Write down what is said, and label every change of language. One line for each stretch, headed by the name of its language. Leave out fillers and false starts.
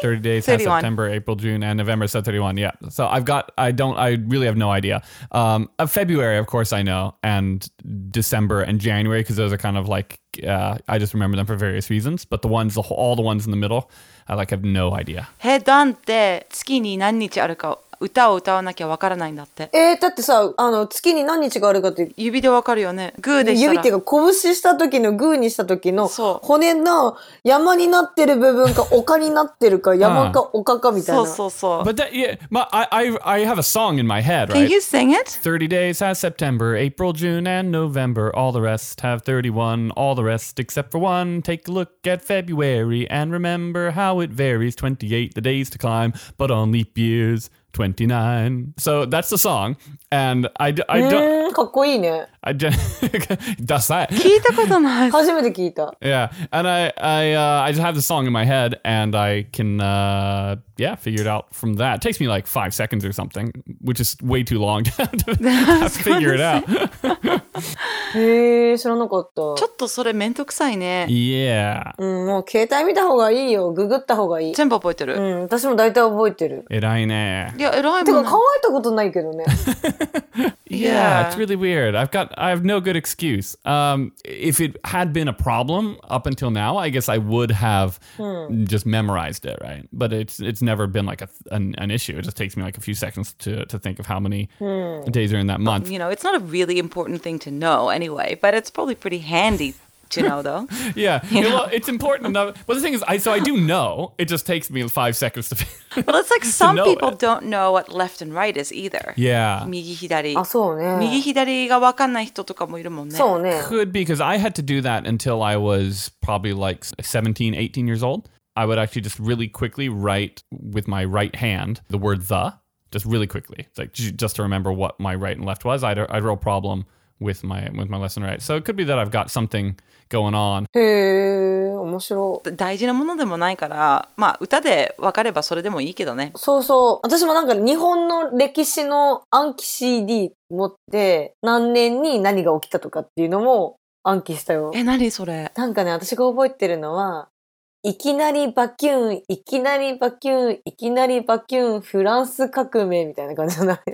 English: 30 days, 31. September, April, June, and November, so 31, yeah. So I really have no idea. February, of course, I know, and December and January, because those are kind of like... I just remember them for various reasons, but all the ones in the middle, I like have no idea.
Japanese: Hey, Dan, って月に何日あるか歌を歌わなきゃわからないんだって。だってさ、あの月に何日があるかって指でわかるよね。グーでしたら。指っていうか拳した時のグーにした時の骨の山になってる部分か丘になってるか山か丘かみたいな。そう。
English: But that, I have a song in my head, right? Can you sing it? 30 days has September, April, June, and November. All the rest have 31. All the rest except for one. Take a look at February and remember how it varies. 28 the days to climb, but on leap years. 29. So that's the song. And I don't...
Japanese: かっこいいね。
English: I just...
Japanese: ダサい。聞いたことない。初めて聞いた。
English: Yeah. And I just have the song in my head and I can, yeah, figure it out from that. It takes me like 5 seconds or something, which is way too long to figure it out.
Japanese: へえ、知らなかった。ちょっとそれめんどくさいね。
English: Yeah.
Japanese: うん、もう携帯見た方がいいよ。ググった方がいい。全部覚えてる。うん、私も大体覚えてる。偉いね。いや、偉いもん、てか考えたことないけどね。
English: Yeah, it's really weird. I have no good excuse. If it had been a problem up until now, I guess I would have just memorized it, right? But it's never been like an issue. It just takes me like a few seconds to think of how many days are in that month. You know, it's not a really important thing to know anyway, but it's probably pretty handy to know though. Yeah, you know? It's important enough. But the thing is, I do know. It just takes me 5 seconds to figure. Well, it's like some people don't know what left and right is either. Yeah.
Japanese: 右左。あ、そうね。右左が分かんない人とかもいるもんね。そうね。
English: Could be, because I had to do that until I was probably like 17, 18 years old. I would actually just really quickly write with my right hand the word the, just really quickly. It's like, just to remember what my right and left was. I'd real problem with my lesson right. So it could be that I've got something going on.
Japanese: へえ、面白い。大事なものでもないから、まあ歌で分かればそれでもいいけどね。そうそう。私もなんか日本の歴史の暗記 CD 持って何年に何が起きたとかっていうのも暗記したよ。え、何それ？なんかね、私が覚えてるのは、いきなりバキューン、いきなりバキューン、いきなりバキューン、フランス革命みたいな感じになって。